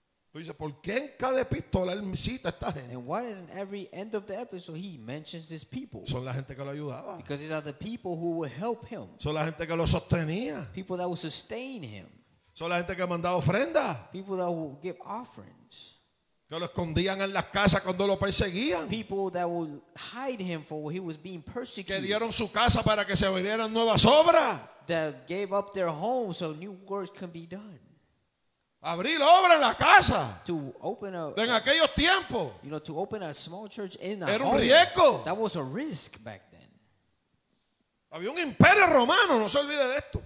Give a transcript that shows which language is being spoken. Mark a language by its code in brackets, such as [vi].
[es] Tú dices, ¿por qué en cada epístola él cita esta gente? [en] And why is in every end of the episode he mentions his people? [es] Son la gente que lo ayudaba. [en] Because these are the people who will help him. [es] Son la gente que lo sostenía. [en] People that will sustain him. [es] Son la gente que mandaba ofrendas. [en] People that will give offerings. [es] Que lo escondían en las casas cuando lo perseguían. [en] People that would hide him for when he was being persecuted. [es] Que dieron su casa para que se vivieran nuevas obras. [en] That gave up their home so new works can be done. [es] Abrir obra en la casa. [en] To open a, [es] en aquellos tiempos. [en] You know, to open a small church in a [es] era un riesgo. [en] Home, that was a risk back then. [es] Había un imperio romano, no se olvide de esto.